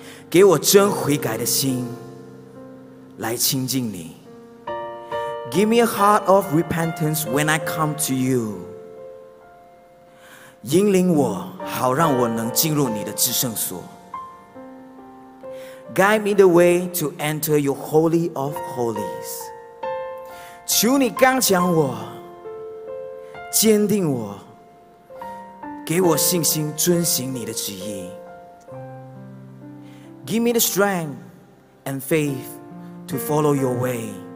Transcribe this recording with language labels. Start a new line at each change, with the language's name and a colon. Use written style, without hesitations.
Chinese: 给我真悔改的心来亲近你。
English: Give me a heart of repentance when I come to you.
Chinese: 引领我，好让我能进入你的至圣所。
English: Guide me the way to enter your holy of holies.
Chinese: 求你刚强我，坚定我，给我信心遵行你的旨意。
English: Give me the strength and faith to follow your way.